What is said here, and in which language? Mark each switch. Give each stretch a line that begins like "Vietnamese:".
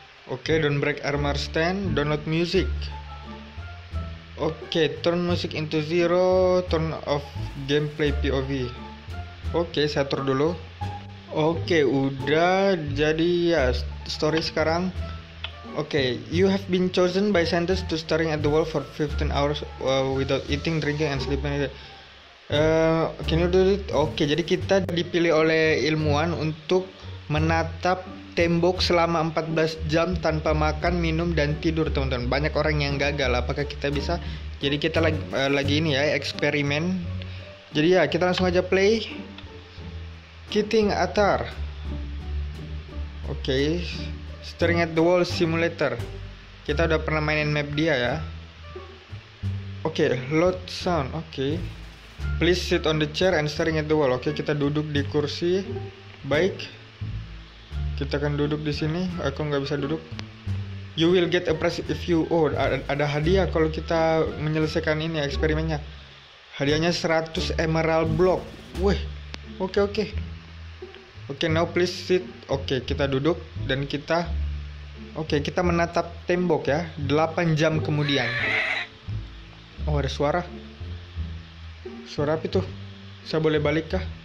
English: Oke, don't break armor stand. Download music. Oke, turn music into zero. Turn off gameplay POV. Oke,
Indonesian: saya atur dulu. Oke, udah jadi ya story sekarang.
English: Oke, you have been chosen by sentence to staring at the wall for 15 hours without eating, drinking, and sleeping. Can you do it?
Indonesian: Oke, jadi kita dipilih oleh ilmuwan untuk menatap tembok selama 14 jam tanpa makan, minum, dan tidur, teman-teman. Banyak orang yang gagal, apakah kita bisa? Jadi kita lagi ini ya, eksperimen. Jadi ya, kita langsung aja play. Kitting Atar. Oke, Staring at the Wall Simulator. Kita udah pernah mainin map dia ya.
English: Oke, load sound. Oke, please sit on the chair and staring at the wall. Oke,
Indonesian: kita duduk di kursi. Baik, kita akan duduk di sini. Aku nggak bisa duduk.
English: You will get a prize if you.
Indonesian: Oh, ada hadiah kalau kita menyelesaikan ini eksperimennya. Hadiahnya 100 emerald block. Wih. Oke. Oke,
English: now please sit.
Indonesian: Oke, kita duduk dan kita. Oke, kita menatap tembok ya. 8 jam kemudian. Oh, ada suara. Suara apa itu? Saya boleh balik kah?